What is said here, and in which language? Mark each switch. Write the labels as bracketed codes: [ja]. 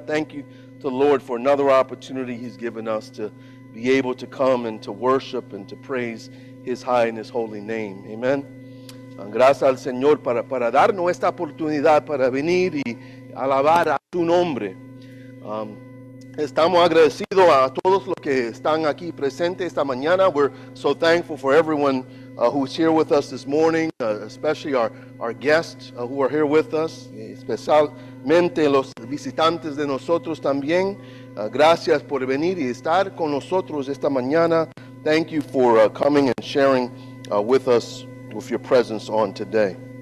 [en] Thank you to the Lord for another opportunity He's given us to be able to come and to worship and to praise His high and His holy name. Amen. [es] Gracias al Señor para darnos esta oportunidad para venir y alabar a tu nombre. Estamos agradecidos a todos los que están aquí presentes esta mañana. [en] We're so thankful for everyone who's here with us this morning, especially our guests who are here with us, [es] especialmente los visitantes de nosotros también. Gracias por venir y estar con nosotros esta mañana. [en] Thank you for coming and sharing with us with your presence on today.